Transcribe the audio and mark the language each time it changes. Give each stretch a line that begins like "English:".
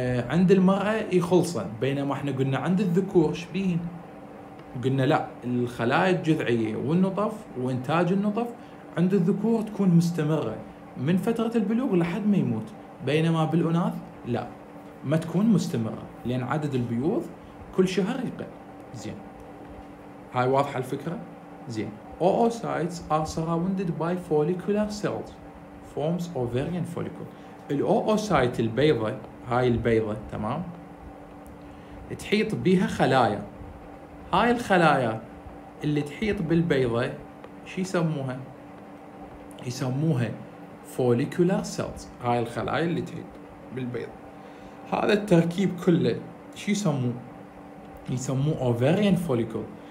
Arabic: عند المرأة يخلصن، بينما احنا قلنا عند الذكور شبين، قلنا لا، الخلايا الجذعية والنطف وإنتاج النطف عند الذكور تكون مستمرة من فترة البلوغ لحد ما يموت، بينما بالأناث لا، ما تكون مستمرة لأن عدد البيوض كل شهر يقل. زين، هاي واضحة الفكرة؟ زين،
English: Oocytes are surrounded by follicular cells forms ovarian follicle.
Arabic: الأوسايت البيضة، هاي البيضة تمام، تحيط بها خلايا، هاي الخلايا اللي تحيط بالبيضة شو يسموها؟ يسموها follicular cells، هاي الخلايا اللي تحيط بالبيضة، هذا التركيب كله شو يسموه؟ يسموه ovarian follicle.